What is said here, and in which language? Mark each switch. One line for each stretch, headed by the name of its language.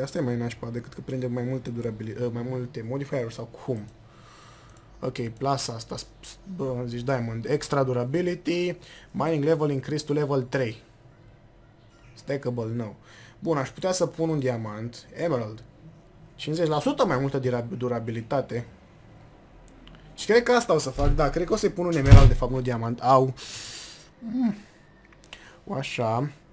Romanian: Asta e mai nașpa decât că prinde mai multe mai multe modifier-uri sau cum. Ok, plus asta. Bă, zici diamond.
English: Extra durability. Mining level increased to level 3. Stackable, no.
Romanian: Bun, aș putea să pun un diamant, emerald, 50% mai multă durabilitate. Și cred că asta o să fac, da, cred că o să-i pun un emerald, de fapt, nu diamant. Au. Așa.